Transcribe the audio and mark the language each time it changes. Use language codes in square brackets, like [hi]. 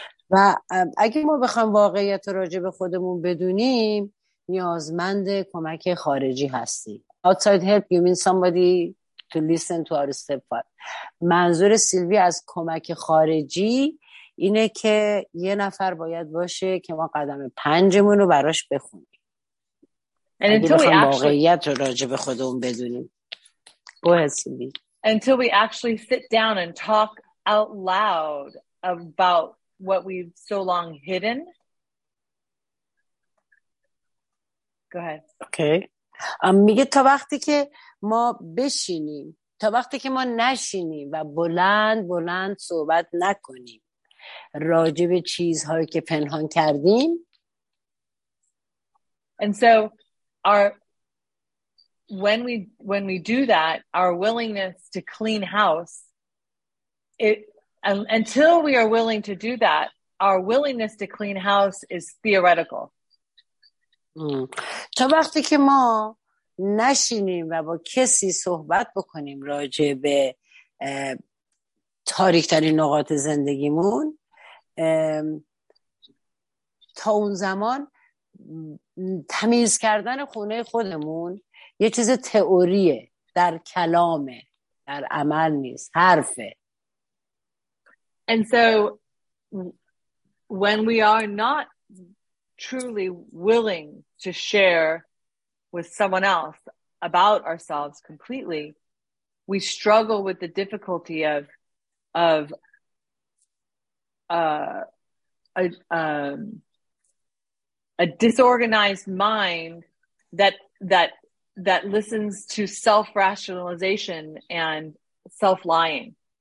[fa] و اگه ما بخوایم واقعیت راجع به خودمون بدونیم نیازمند کمک خارجی هستی. [en] Outside help, you mean somebody to listen to our step five. [fa] منظور سیلوی از کمک خارجی اینه که یه نفر باید باشه که ما قدم پنجمون رو براش بخونیم. [en] And until we [fa] واقعیت رو راجع به خودمون بدونیم. [en] Go ahead, Sylvie. Until we actually sit down and talk out loud about what we've so long hidden. Go ahead. Okay. [fa] میگه تا وقتی که ما بشینیم، تا وقتی که ما نشینیم و بلند بلند صحبت نکنیم راجع به چیزهایی که پنهان کردیم. [en] And so when we do that, our willingness to clean house, until we are willing to do that, our willingness to clean house is theoretical. [fa] تا وقتی که ما نشینیم و با کسی صحبت بکنیم راجع به تاریک‌ترین نقاط زندگیمون، تا اون زمان تمیز کردن خونه خودمون یه چیز تئوریه، در کلامه، در عمل نیست، حرفه. [en] And so when we are not truly willing to share with someone else about ourselves completely, we struggle with the difficulty of a disorganized mind that listens to self-rationalization and self-lying.